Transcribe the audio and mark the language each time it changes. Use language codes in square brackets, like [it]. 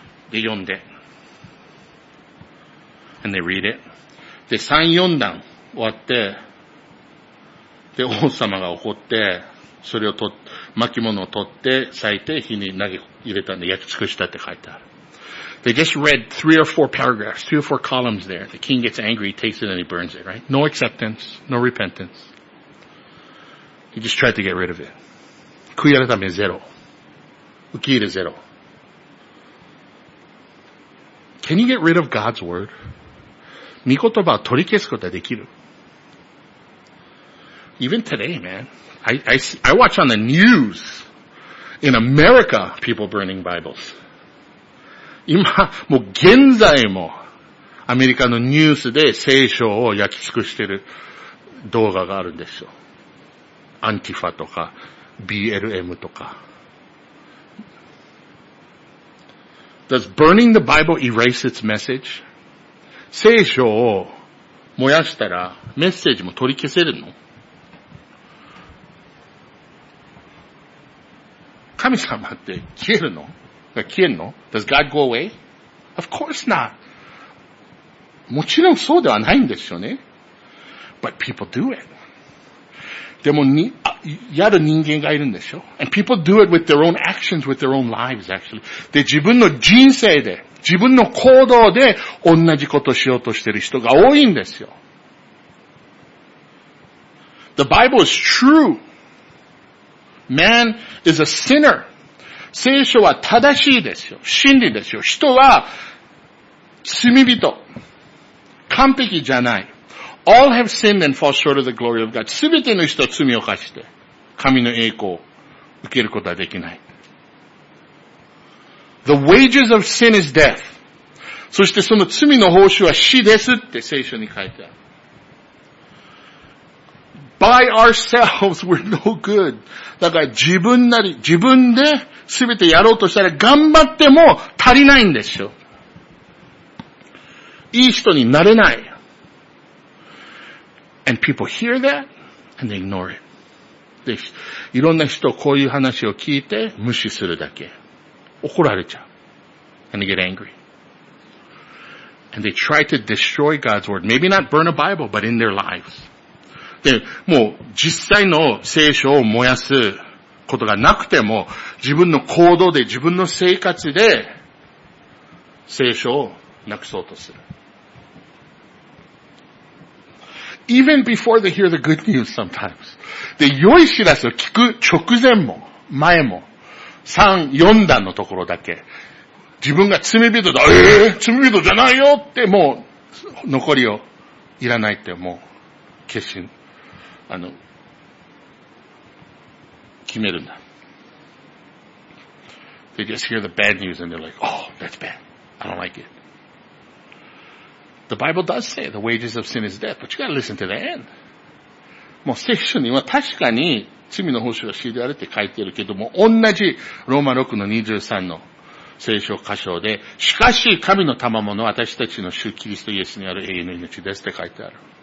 [ja] で、読んで。 [en] And they read it. [ja] で、3、4段終わって、で、王様が怒って、それを巻物を取って、裂いて、火に投げ入れたんで、焼き尽くしたって書いてある。 [en] They just read three or four paragraphs, three or four columns there. The king gets angry, he takes it and he burns it, right? No acceptance, no repentance. He just tried to get rid of it. [ja] 悔い改めゼロ。受け入れゼロ。 [en] Can you get rid of God's word? [ja] 御言葉を取り消すことはできる。 [en] Even today, man. I watch on the news in America, people burning Bibles. [ja] 今、もう現在もアメリカのニュースで聖書を焼き尽くしている動画があるんですよ。アンティファとか BLM とか。 [en] Does burning the Bible erase its message? [ja] 聖書を燃やしたらメッセージも取り消せるの？神様って消えるの？消えるの？ [en] Does God go away? Of course not. [ja] もちろんそうではないんですよね。 [en] But people do it. [ja] でもやる人間がいるんでしょ。 [en] And people do it with their own actions, with their own lives, actually. [ja] で、自分の人生で、自分の行動で同じことをしようとしてる人が多いんですよ。 [en] The Bible is true. Man is a sinner. [ja] 聖書は正しいですよ。真理ですよ。人は罪人。完璧じゃない。 [en] All have sinned and fall short of the glory of God. [ja] 全ての人は罪を犯して、神の栄光を受けることはできない。 [en] The wages of sin is death. [ja] そしてその罪の報酬は死ですって聖書に書いてある。 [en] By ourselves, we're no good. [ja] だから自分なり、自分で全てやろうとしたら頑張っても足りないんですよ。いい人になれない。 [en] And people hear that and they ignore it. [ja] で、いろんな人こういう話を聞いて無視するだけ。怒られちゃう。 [en] And they get angry. And they try to destroy God's word. Maybe not burn a Bible, but in their lives. [ja] で、もう実際の聖書を燃やすことがなくても、自分の行動で、自分の生活で、聖書をなくそうとする。 [en] Even before they hear the good news sometimes. [ja] で、良い知らせを聞く直前も、前も、3、4段のところだけ、自分が罪人だ、罪人じゃないよって、もう、残りをいらないって、もう、決心。決めるんだ。 [en] They just hear the bad news and they're like, oh, that's bad. I don't like it. The Bible does say the wages of sin is death, but you gotta listen to the end. [ja] もう聖書には確かに罪の報酬は死であるって書いてるけども、同じローマ6の23の聖書箇所で、しかし神の賜物は私たちの主キリストイエスにある永遠の命ですって書いてある。